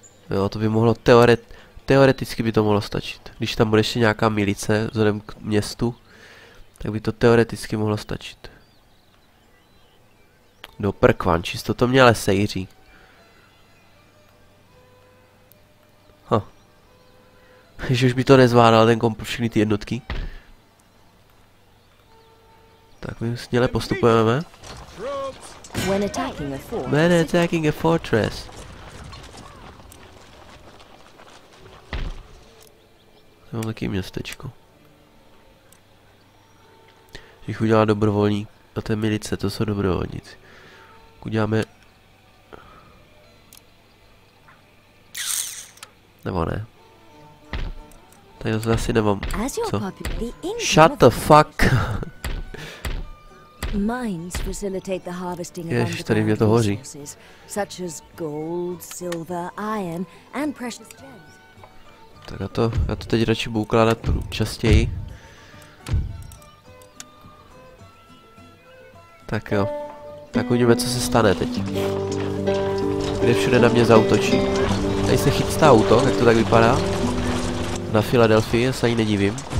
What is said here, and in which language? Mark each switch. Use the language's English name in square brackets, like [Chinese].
[Czech] Jo, to by mohlo teoreticky by to mohlo stačit. Když tam bude ještě nějaká milice vzhledem k městu, tak by to teoreticky mohlo stačit. Do prkvan, čisto to mě ale sejří. Ha. Že už by to nezvládal ten komp všechny ty jednotky. Tak my směle postupujeme. [English] When attacking a fortress. [Czech] Já mám taky městečko. Když udělá dobrovolník a té milice, to jsou dobrovolníci. Uděláme... Nebo ne. Tady zase asi nemám, co? [English] Shut the fuck! Mines facilitate the harvesting of underground resources, such as gold, silver, iron, and precious gems. [Czech] Tak já to teď radši budu ukládat častěji. Tak jo. Tak uvidíme, co se stane teď. Kde všude na mě zaútočí. Tady se chystá útok, jak to tak vypadá. Na Filadelfii, já se ani nedivím.